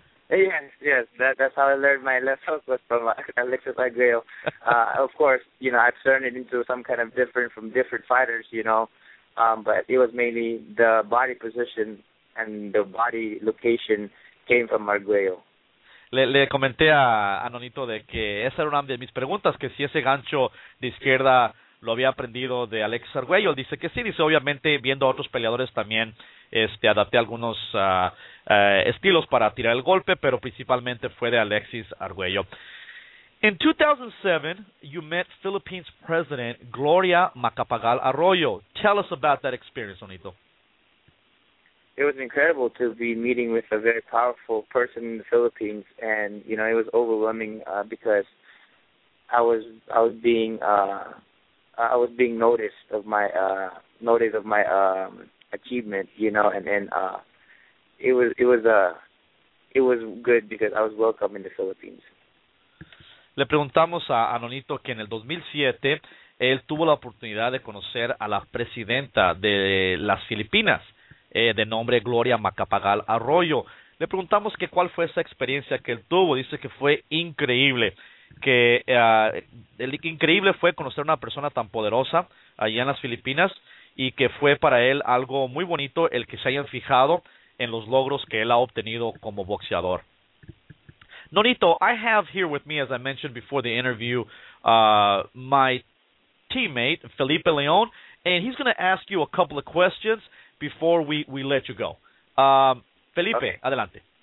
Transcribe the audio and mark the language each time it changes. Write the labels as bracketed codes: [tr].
[en] Yes, that's how I learned my left hook was from Alexis Arguello. Of course, you know, I've turned it into some kind of different from different fighters, you know, but it was mainly the body position and the body location came from Arguello. [es] Le comenté a Nonito de que esa era una de mis preguntas, que si ese gancho de izquierda lo había aprendido de Alexis Arguello. Dice que sí, dice obviamente viendo a otros peleadores también adapté algunos estilos para tirar el golpe, pero principalmente fue de Alexis Arguello. [en] In 2007, you met Philippines President Gloria Macapagal Arroyo. Tell us about that experience, Nonito. It was incredible to be meeting with a very powerful person in the Philippines, and you know, it was overwhelming because I was being noticed of my achievement, you know, and it was good because I was welcome in the Philippines. [es] Le preguntamos a Nonito que en el 2007 él tuvo la oportunidad de conocer a la presidenta de las Filipinas, de nombre Gloria Macapagal Arroyo. Le preguntamos que cuál fue esa experiencia que él tuvo. Dice que fue increíble, que el increíble fue conocer a una persona tan poderosa allá en las Filipinas, y que fue para él algo muy bonito el que se hayan fijado en los logros que él ha obtenido como boxeador. [en] Nonito, I have here with me, as I mentioned before the interview, my teammate Felipe León, and he's going to ask you a couple of questions before we let you go. Felipe, okay. [es] Adelante.